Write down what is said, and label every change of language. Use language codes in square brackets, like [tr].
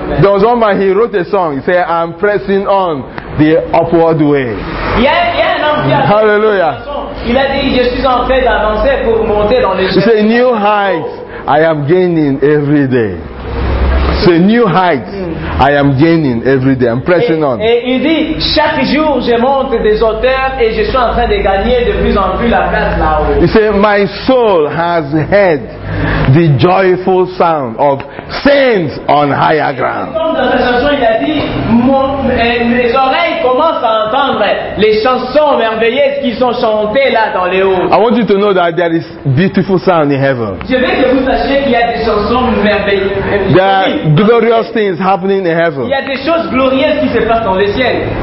[en] There was one man, he wrote a song. He said, I'm pressing on the upward way. Hallelujah. [fr] Il a dit, je suis en train d'avancer pour monter dans les cieux. [en] He said, new heights I am gaining every day. Say new heights I am gaining every day. I'm pressing on. [fr] Et il dit, chaque jour je monte des hauteurs et je suis en train de gagner de plus en plus la place là-haut. [en] He said, my soul has heard the joyful sound of saints on higher ground. [fr] Dans la chanson, il a dit, mes oreilles commencent à entendre les chansons merveilleuses qui sont chantées là dans les hauts. [en] I want you to know that there is beautiful sound in heaven. [fr] Je veux que vous sachiez qu'il y a des chansons merveilleuses. [en] There are glorious things happening in heaven. [fr] Il y a des choses glorieuses qui se passent dans le ciel.